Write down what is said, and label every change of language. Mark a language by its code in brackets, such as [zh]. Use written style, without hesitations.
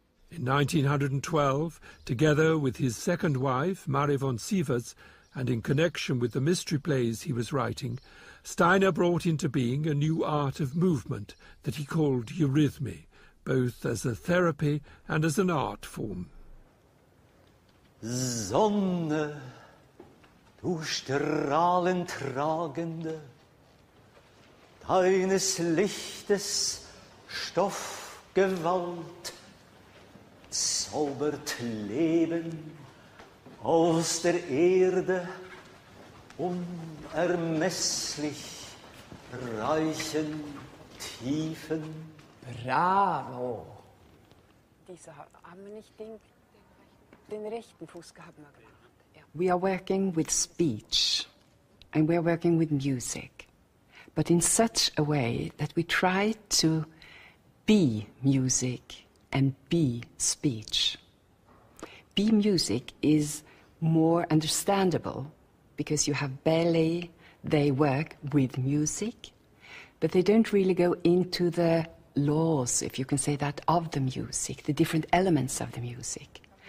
[en] In 1912, together with his second wife, Marie von Sievers, and in connection with the mystery plays he was writing, Steiner brought into being a new art of movement that he called eurythmy, both as a therapy and as an art form. [de] Sonne, du strahlentragende, deines Lichtes Stoffgewalt zaubert Leben aus der Erde unermesslich reichen Tiefen. Bravo! Dieser haben wir nicht den rechten Fuß gehabt. Ja. [en] We are working with speech and we are working with music, but in such a way that we try to be music and be speech. Be music is more understandable because you have ballet, they work with music, but they don't really go into the laws, if you can say that, of the music, the different elements of the music.